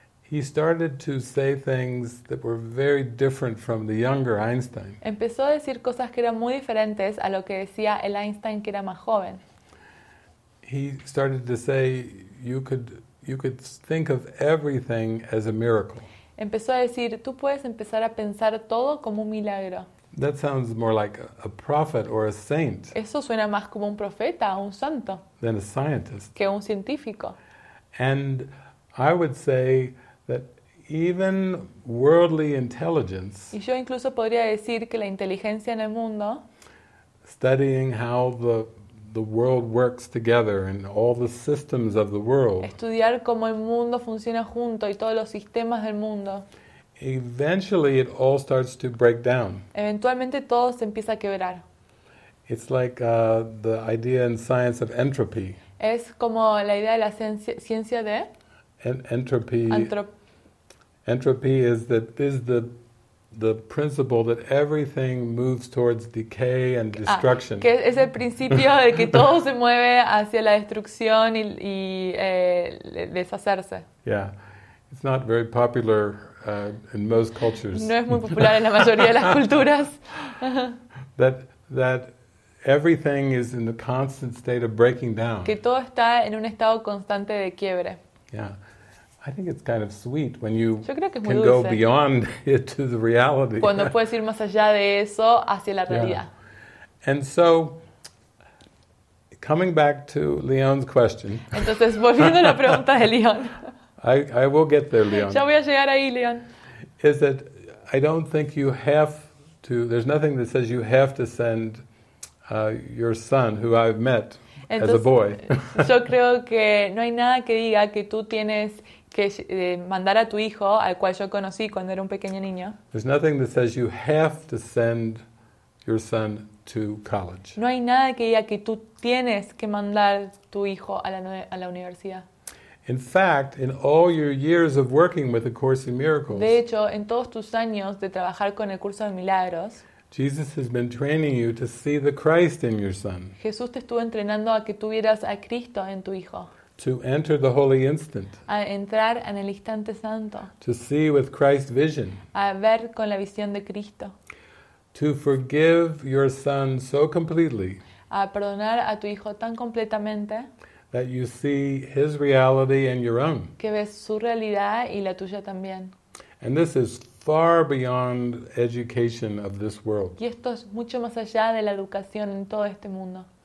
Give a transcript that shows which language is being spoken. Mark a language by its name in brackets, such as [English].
[English] he started to say things that were very different from the younger Einstein. [Spanish] Empezó a decir cosas que eran muy diferentes a lo que decía el Einstein que era más joven. [English] He started to say, you could think of everything as a miracle. [Spanish] Empezó a decir, tú puedes empezar a pensar todo como un milagro. [English] That sounds more like a prophet or a saint. [Spanish] Eso suena más como un profeta o un santo. [English] Than a scientist. [Spanish] Que un científico. [English] And I would say that even worldly intelligence. [Spanish] Y yo incluso podría decir que la inteligencia en el mundo. [English] Studying how the world works together and all the systems of the world. [Spanish] Estudiar cómo el mundo funciona junto y todos los sistemas del mundo. [English] Eventually it all starts to break down. [Spanish] Eventualmente todo se empieza a quebrar. [English] It's like the idea in science of entropy. [Spanish] Es como la idea de la ciencia de [English] entropy. Entropy is the principle that everything moves towards decay and destruction. [Spanish] Que es el principio de que todo se mueve hacia la destrucción y deshacerse. [English] Yeah. It's not very popular in most cultures. [Spanish] No es muy popular en la mayoría de las culturas. [English] that everything is in a constant state of breaking down. [Spanish] Que todo está en un estado constante de quiebre. [English] Yeah. I think it's kind of sweet when you can go beyond it to the reality. [Spanish] Cuando puedes ir más allá de eso hacia la realidad. [English] Yeah. And so, coming back to Leon's question. [Spanish] Entonces, volviendo a la pregunta de Leon. [English] I will get there, Leon. [Spanish] Ya voy a llegar ahí, Leon. [English] Is that I don't think you have to, there's nothing that says you have to send your son, who I've met [Spanish] entonces, [English] as a boy. [Spanish] Yo creo que no hay nada que diga que tú tienes que mandar a tu hijo, al cual yo conocí cuando era un pequeño niño. [English] There's nothing that says you have to send your son to college. [Spanish] No hay nada que diga que tú tienes que mandar tu hijo a la universidad. [English] In fact, in all your years of working with the Course in Miracles. [Spanish] De hecho, en todos tus años de trabajar con el curso de milagros. [English] Jesus has been training you to see the Christ in your son. [Spanish] Jesús te estuvo entrenando a que tú vieras a Cristo en tu hijo. [English] To enter the holy instant. [Spanish] A entrar en el instante santo. [English] To see with Christ's vision. [Spanish] A ver con la visión de Cristo. [English] To forgive your son so completely. [Spanish] A perdonar a tu hijo tan completamente. [English] That you see his reality and your own. [Spanish] Que ves su realidad y la tuya también. [English] And this is far beyond education of this world. [Spanish] Y esto es mucho más allá de la educación en todo este mundo.